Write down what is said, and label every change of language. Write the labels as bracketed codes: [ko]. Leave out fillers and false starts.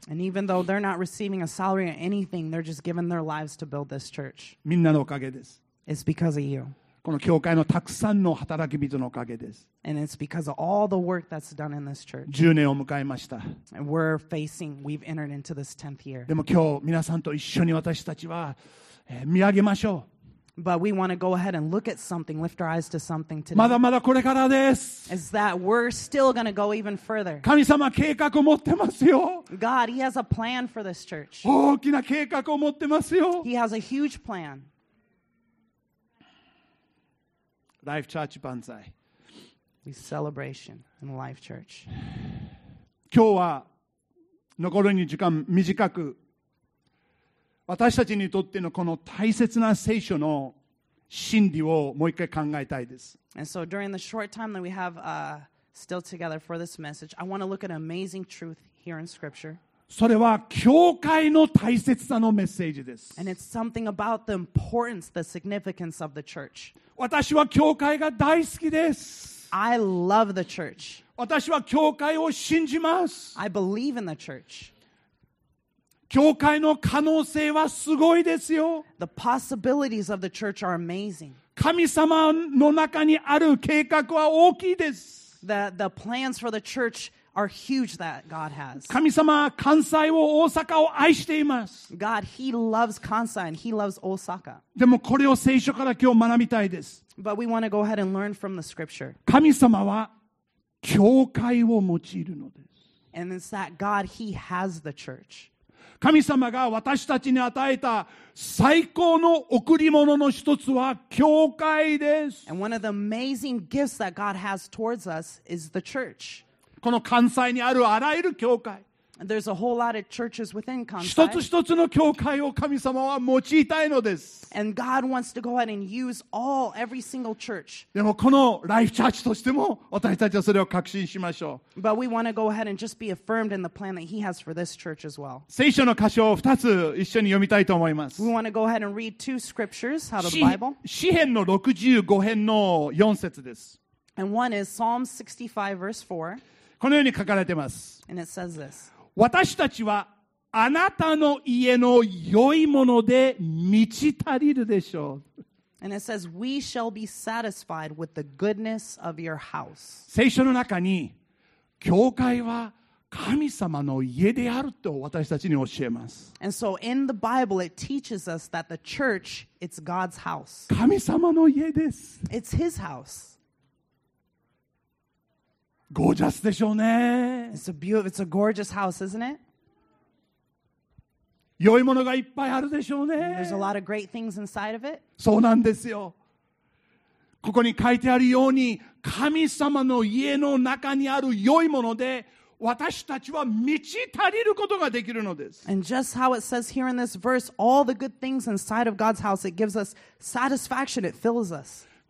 [en] And even though they're not receiving a salary or anything, they're just giving their lives to build this church. [ja] みんなのおかげです。 [en] It's because of you. [ja] この教会のたくさんの働き人のおかげです。 [en] And it's because of all the work that's done in this church. [ja] 10年を迎えました。 [en] And we've entered into this 10th year. [ja] でも今日皆さんと一緒に私たちは、見上げましょう。 [en] But we want to go ahead and look at something, lift our eyes to something today. [ja] まだまだこれからです。 [en] Is that we're still going to go even further. [ja] 神様は計画を持ってますよ。 [en] God, He has a plan for this church. [ja] 大きな計画を持ってますよ。 [en] He has a huge plan. [ja] Life Church Banzai. [en] We celebration in Life Church. [ja] 今日は残りの時間短く、私たちにとってのこの大切な聖書の真理をもう一回考えたいです。 [en] And so during the short time that we have still together for this message, I want to look at an amazing truth here in Scripture. [ja] それは教会の大切さのメッセージです。 [en] And it's something about the importance, the significance of the church. [ja] 私は教会が大好きです。 [en] I love the church. [ja] 私は教会を信じます。 [en] I believe in the church. [ja] 教会の可能性はすごいですよ。 [en] The possibilities of the church are amazing. [ja] 神様の中にある計画は大きいです。 [en] The plans for the church are huge that God has. [ja] 神様は関西を大阪を愛しています。 [en] God, He loves Kansai and He loves Osaka. [ja] でもこれを聖書から今日学びたいです。 [en] But we want to go ahead and learn from the scripture. [ja] 神様は教会を用いるのです。 [en] And it's that God, He has the church. [ja] 神様が私たちに与えた最高の贈り物の一つは教会です。 [en] And one of the amazing gifts that God has towards us is the church. [ja] この関西にあるあらゆる教会。 [en] There's a whole lot of churches within Kansai. [ja] 一つ一つの教会を神様は用いたいのです。 [en] And God wants to go ahead and use all, every single church. [ja] でもこのライフチャーチとしても私たちはそれを確信しましょう。 [en] But we want to go ahead and just be affirmed in the plan that He has for this church as well. [ja] 聖書の箇所を二つ一緒に読みたいと思います。 [en] We want to go ahead and read two scriptures out of the Bible. [ja] 詩編の65編の4節です。 [en] And one is Psalm 65 verse 4. [ja] このように書かれてます。 [en] And it says this. [ja] 私たちはあなたの家の良いもので満ち足りるでしょう。 [en] And it says, we shall be satisfied with the goodness of your house. [ja] 聖書の中に教会は神様の家であると私たちに教えます。 [en] And so in the Bible, it teaches us that the church, it's God's house. [ja] 神様の家です。 [en] It's His house. [ja] ゴージャスでしょうね。 [en] It's a gorgeous house, isn't it? [ja] 良いものがいっぱいあるでしょうね。 [en] There's a lot of great things inside of it. [ja] そうなんですよ。ここに書いてあるように、神様の家の中にある良いもので、私たちは満ち足りることができるのです。 [en] And just how it says here in this verse, all the good things inside of God's house, it gives us satisfaction, it fills us.